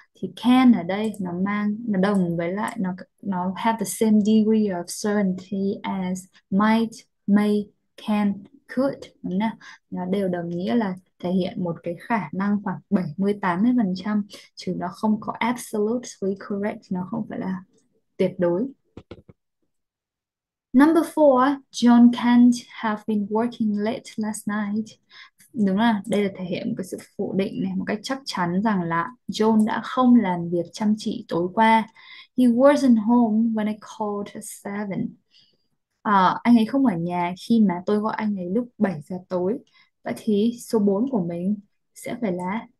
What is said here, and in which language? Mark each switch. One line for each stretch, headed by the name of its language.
Vietnamese: Thì can ở đây nó mang, nó đồng với lại nó
English: have the same degree of certainty as might, may, can, could,
Vietnamese: đúng nào? Nó đều đồng nghĩa là thể hiện một cái khả năng khoảng 70-80%, chứ nó không có
English: absolutely correct,
Vietnamese: nó không phải là tuyệt đối.
English: Number four, John can't have been working late last night.
Vietnamese: Đúng rồi, đây là thể hiện một cái sự phủ định này, một cách chắc chắn rằng là John đã không làm việc chăm chỉ tối qua.
English: He wasn't home when I called at 7.
Vietnamese: Anh ấy không ở nhà khi mà tôi gọi anh ấy lúc 7 giờ tối. Vậy thì số 4 của mình sẽ phải là